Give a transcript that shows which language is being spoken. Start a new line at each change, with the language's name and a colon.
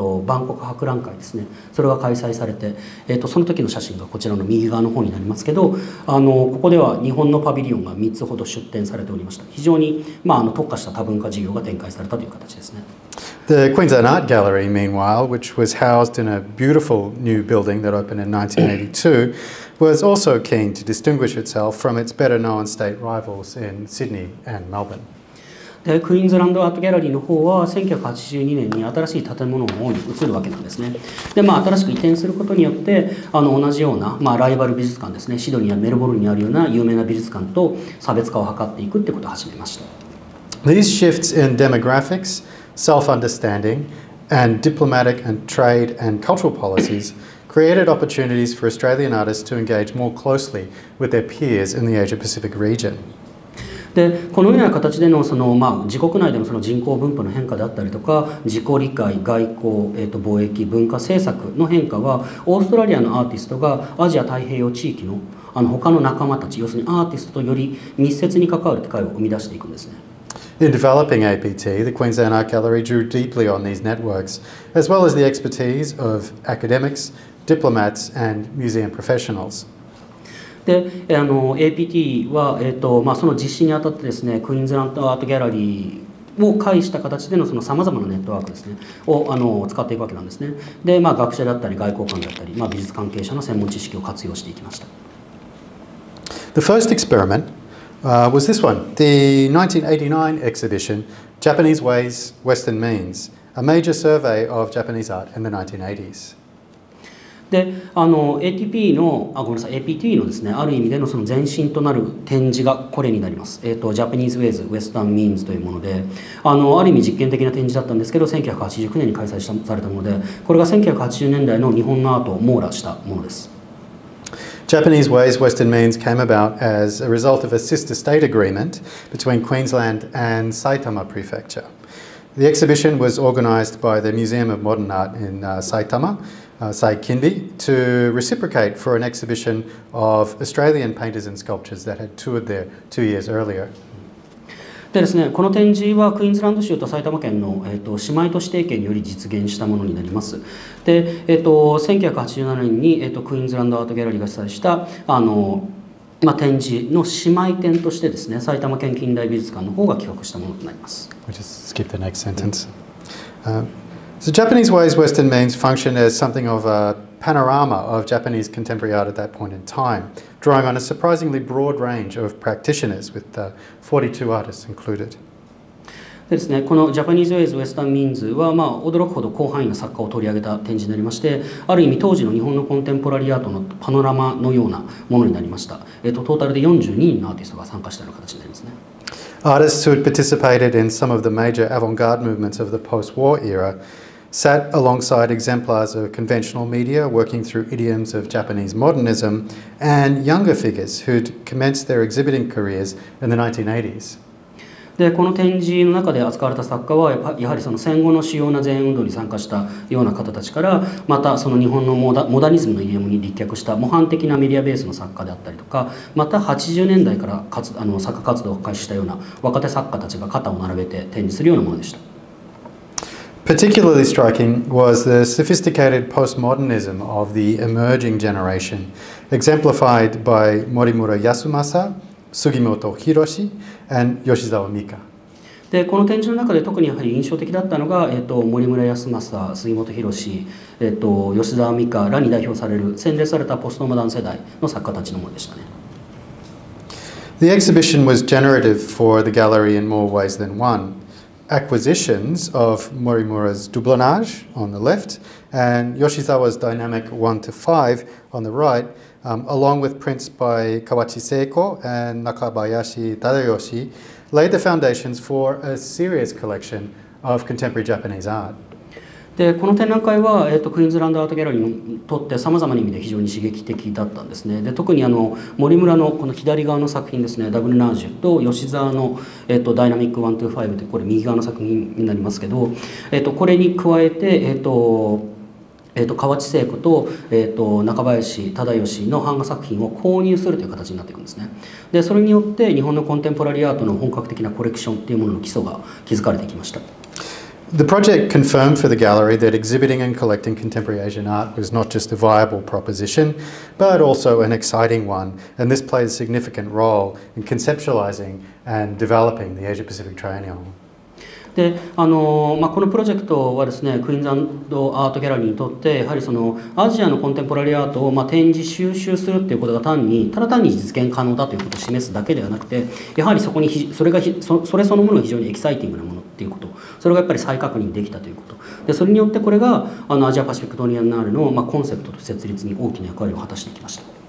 Japanese: 万国博覧会ですね、それが開催されて、その時の写真がこちらの右側の方になりますけど、ここでは日本のパビリオンが3つほど出展されておりました。非常に、特化した多文化事業が展開されたという形ですね。
English: The Queensland Art Gallery, meanwhile, which was housed in a beautiful new building that opened in 1982, was also keen to distinguish itself from its better-known state rivals in Sydney and Melbourne.
Japanese: The Queensland Art Gallery の方は1982年に新しい建物の方に移るわけなんですね。で、新しく移転することによって、同じような、ライバル美術館ですね、シドニーやメルボルンにあるような有名な美術館と差別化を図っていくってことを始めました。
English: These shifts in demographics,self-understanding and diplomatic and trade and cultural policies created opportunities for Australian artists to engage more closely with their peers in the Asia-Pacific region.
Japanese: でこのような形で その、自国内で その人口分布の変化であったりとか、自己理解、外交、貿易、文化政策の変化は、オーストラリアのアーティストがアジア太平洋地域 の、 他の仲間たち、要するにアーティストとより密接に関わる機会を生み出していくんですね。
English: In developing APT, the Queensland Art Gallery drew deeply on these networks, as well as the expertise of academics, diplomats, and museum professionals.
Japanese: で、APT は、その実施にあたってですね、Queensland Art Gallery を介した形でのその様々なネットワークですね、を使っていくわけなんですね。で、学者だったり外交官だったり、美術関係者の専門知識を活用していきました。
English: The first experiment,was this one, the 1989 exhibition, Japanese Ways, Western Means, a major survey of Japanese art in the 1980s.
Japanese: で、ATP の、ごめんなさい、APT のですね、ある意味でのその前身となる展示がこれになります。 Japanese Ways, Western Means というもので、ある意味実験的な展示だったんですけど、1989年に開催されたもので、これが1980年代の日本のアートを網羅したものです。
English: Japanese Ways, Western Means came about as a result of a sister state agreement between Queensland and Saitama Prefecture. The exhibition was organized by the Museum of Modern Art in Saitama, Saikinbi, to reciprocate for an exhibition of Australian painters and sculptures that had toured there 2 years earlier.
Japanese: でですね、この展示はクイーンズランド州と埼玉県の、姉妹都市提携により実現したものになります。で、1987年に、クイーンズランドアートギャラリーが主催した展示の姉妹展としてですね、埼玉県近代美術館の方が企画したものとなります。
English: We'll just skip the next sentence. So Japanese Ways Western Means functioned as something of a panorama of Japanese contemporary art at that point in time. Drawing on a surprisingly broad range of practitioners, with 42 artists included.
Japanese: でですね、この Japanese Ways Western Means は驚くほど広範囲の作家を取り上げた展示になりまして、ある意味当時の日本のコンテンポラリーアートのパノラマのようなものになりました。トータルで42人のアーティストが参加したような形になりますね。
English: Artists who had participated in some of the major avant-garde movements of the post-war era sat alongside exemplars of conventional media working through idioms of Japanese modernism and younger figures who'd commenced their exhibiting careers in the 1980s.
Japanese: で、この展示の中で扱われた作家は、やはりその戦後の主要な前衛運動に参加したような方たちから、またその日本のモダニズムの idiom に立脚した模範的なメディアベースの作家であったりとか、また80年代から作家活動を開始したような若手作家たちが肩を並べて展示するようなものでした。
English: Particularly striking was the sophisticated postmodernism of the emerging generation, exemplified by Morimura Yasumasa, Sugimoto Hiroshi, and Yoshizawa Mika.
Japanese: でこの展示の中で特にやはり印象的だったのが、森村康政、杉本博史、吉澤美香らに代表される洗練されたポストモダン世代の作家たちのものでしたね。
English: The exhibition was generative for the gallery in more ways than one. Acquisitions of Morimura's doublonnage on the left and Yoshizawa's dynamic 1-5 on the right, along with prints by Kawachi Seiko and Nakabayashi Tadayoshi,laid the foundations for a serious collection of contemporary Japanese art.
Japanese: で、この展覧会は、クイーンズランドアートギャラリーにとってさまざまな意味で非常に刺激的だったんですね。で、特にあの森村のこの左側の作品ですね、ダブルナージュと吉澤の、ダイナミック1-5というこれ右側の作品になりますけど、これに加えて、河内聖子と、中林忠義の版画作品を購入するという形になっていくんですね。でそれによって日本のコンテンポラリーアートの本格的なコレクションというものの基礎が築かれてきました。
English: The project confirmed for the gallery that exhibiting and collecting contemporary Asian art was not just a viable proposition but also an exciting one, and this played a significant role in conceptualizing and developing the Asia Pacific Triennial.
Japanese: でまあ、このプロジェクトはですね、クイーンズランドアートギャラリーにとってやはりそのアジアのコンテンポラリーアートを、まあ、展示収集するっていうことが単にただ単に実現可能だということを示すだけではなくて、やはりそこにそれそのものが非常にエキサイティングなものっていうこと、それがやっぱり再確認できたということ、でそれによってこれがあのアジアパシフィックトリエンナーレの、まあ、コンセプトと設立に大きな役割を果たしてきました。